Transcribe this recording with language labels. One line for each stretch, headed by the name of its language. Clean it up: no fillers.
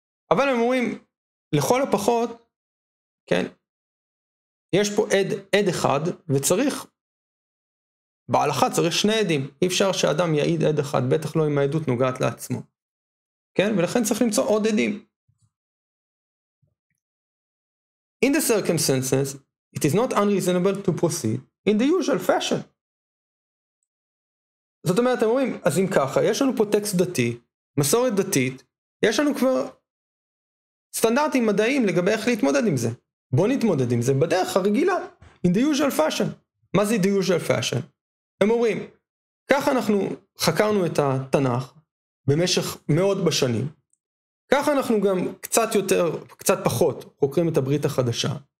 Hebrew: אבל הם אומרים, לכל הפחות, כן, יש פה עד אחד, וצריך, בהלכה צריך שני עדים, אי אפשר שאדם יעיד עד אחד, בטח לא אם העדות נוגעת לעצמו, כן? ולכן צריך למצוא עוד עדים.
English: In the circumstances, it is not unreasonable to proceed in the usual fashion.
Hebrew: זאת אומרת, אתם רואים, אז אם ככה, יש לנו פה טקסט דתי, מסורת דתית, יש לנו כבר סטנדרטים מדעיים לגבי איך להתמודד עם זה. בוא נתמודד עם זה בדרך הרגילה,
English: in the usual fashion.
Hebrew: מה זה
English: the usual fashion?
Hebrew: הם אומרים, ככה אנחנו חקרנו את התנך במשך מאות בשנים, ככה אנחנו גם קצת יותר, קצת פחות, חוקרים את הברית החדשה.